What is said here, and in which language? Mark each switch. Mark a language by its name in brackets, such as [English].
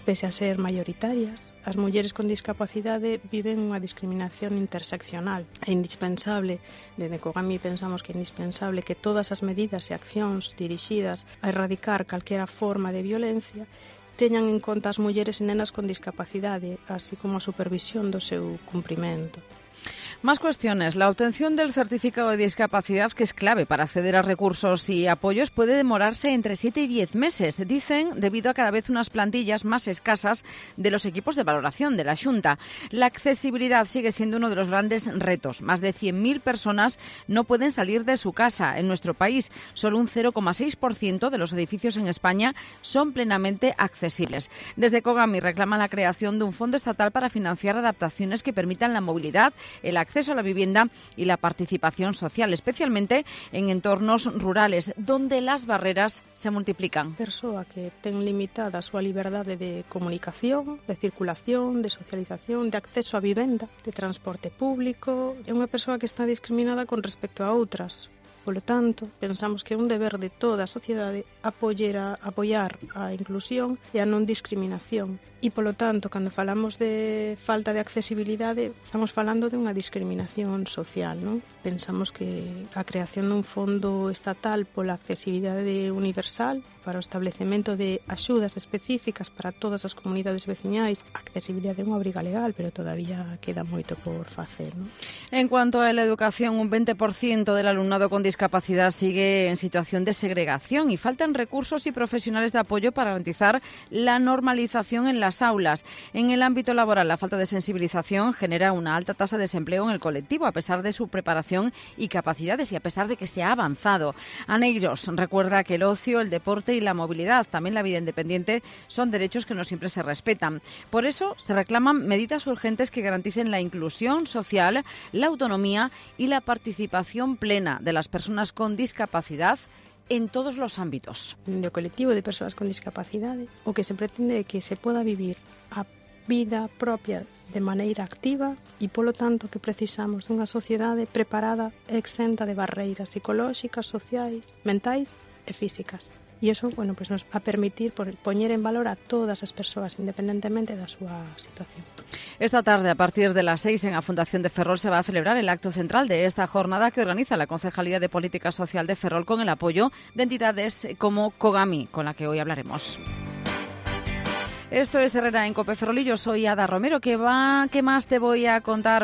[Galician] Pese a ser mayoritarias, as mulleres con discapacidade viven unha discriminación interseccional. É indispensable, desde COGAMI pensamos que é indispensable que todas as medidas e accións dirixidas a erradicar calquera forma de violencia teñan en conta as mulleres e nenas con discapacidade, así como a supervisión do seu cumprimento. [Spanish] Más cuestiones. La obtención del certificado de discapacidad, que es clave para acceder a recursos y apoyos, puede demorarse entre 7 y 10 meses, dicen, debido a cada vez unas plantillas más escasas de los equipos de valoración de la Xunta. La accesibilidad sigue siendo uno de los grandes retos. Más de 100.000 personas no pueden salir de su casa en nuestro país. Solo un 0,6% de los edificios en España son plenamente accesibles. Desde COGAMI reclaman la creación de un fondo estatal para financiar adaptaciones que permitan la movilidad, el acceso a la vivienda y la participación social, especialmente en entornos rurales, donde las barreras se multiplican. [Galician] Persoa que ten limitada a súa liberdade de comunicación, de circulación, de socialización, de acceso a vivenda, de transporte público, é unha persoa que está discriminada con respecto a outras. [Spanish] Por lo tanto, [Galician] pensamos que é un deber de toda a sociedade apoiar a inclusión e a non discriminación. E, [Spanish] por lo tanto, [Galician] cando falamos de falta de accesibilidade, estamos falando de unha discriminación social, non? Pensamos que a creación dun fondo estatal pola accesibilidade universal para o establecemento de axudas específicas para todas as comunidades veciñais, accesibilidade é unha obriga legal, pero todavía queda moito por facer, non? [Spanish] En cuanto á educación, un 20% del alumnado con discapacidad sigue en situación de segregación y faltan recursos y profesionales de apoyo para garantizar la normalización en las aulas. En el ámbito laboral, la falta de sensibilización genera una alta tasa de desempleo en el colectivo, a pesar de su preparación y capacidades y a pesar de que se ha avanzado. Aneiros recuerda que el ocio, el deporte y la movilidad, también la vida independiente, son derechos que no siempre se respetan. Por eso se reclaman medidas urgentes que garanticen la inclusión social, la autonomía y la participación plena de las personas con discapacidad en todos los ámbitos. [Galician] Dende o colectivo de personas con discapacidad, o que se pretende é que se poda vivir a vida propia de maneira activa e, polo tanto, que precisamos dunha sociedade preparada e exenta de barreiras psicolóxicas, sociais, mentais e físicas. E iso, [Spanish] bueno, pues nos va a permitir [Galician] poñer en valor a todas as persoas, independentemente da súa situación. [Spanish] Esta tarde, a partir de las 6, en a Fundación de Ferrol, se va a celebrar el acto central de esta jornada que organiza la Concejalía de Política Social de Ferrol con el apoyo de entidades como COGAMI, con la que hoy hablaremos. Esto es Herrera en COPE Ferrol y yo soy Ada Romero. ¿Qué más te voy a contar?